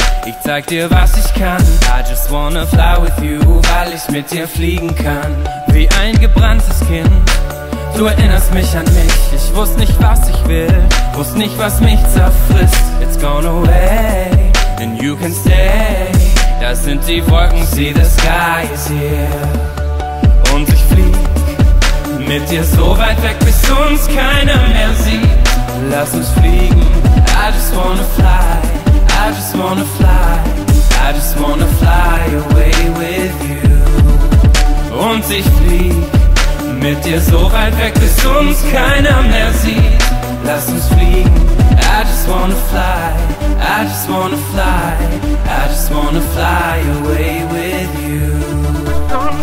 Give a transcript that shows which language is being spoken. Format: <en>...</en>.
<de>Ich zeig dir, was ich kann.</de> <en>I just wanna fly with you,</en> <de>weil ich mit dir fliegen kann. Wie ein gebranntes Kind, du erinnerst mich an mich. Ich wusste nicht, was ich will, wusste nicht, was mich zerfrisst.</de> <en>It's gone away, and you can stay.</en> <de>Da sind die Wolken,</de> <en>see the sky is here.</en> <de>Und ich flieg mit dir so weit weg, bis uns keiner mehr sieht. Lass uns fliegen,</de> <en>I just wanna fly. I just wanna fly, I just wanna fly away with you.</en> <de>Und ich flieg mit dir so weit weg, bis uns keiner mehr sieht. Lass uns fliegen,</de> <en>I just wanna fly, I just wanna fly, I just wanna fly away with you.</en>